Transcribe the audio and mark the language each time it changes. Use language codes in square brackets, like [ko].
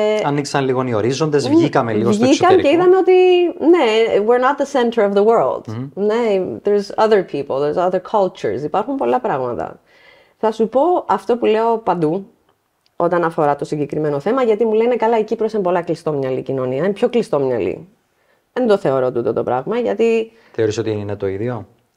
[el] Ανοίξαν λίγο οι ορίζοντες, βγήκαμε λίγο στο εξωτερικό. Βγήκαν και είδαμε ότι, ναι, [en] we're not the center of the world. Mm-hmm. [el] Ναι, [en] there's other people, there's other cultures. [el] Υπάρχουν πολλά πράγματα. Θα σου πω αυτό που λέω παντού, όταν αφορά το συγκεκριμένο θέμα, γιατί μου λένε καλά, η Κύπρος είναι πολλά κλειστόμυαλη κοινωνία, είναι πιο κλειστόμυαλη. Δεν το θεωρώ τούτο το πράγμα, γιατί... Θεωρείς ότι είναι το ίδιο?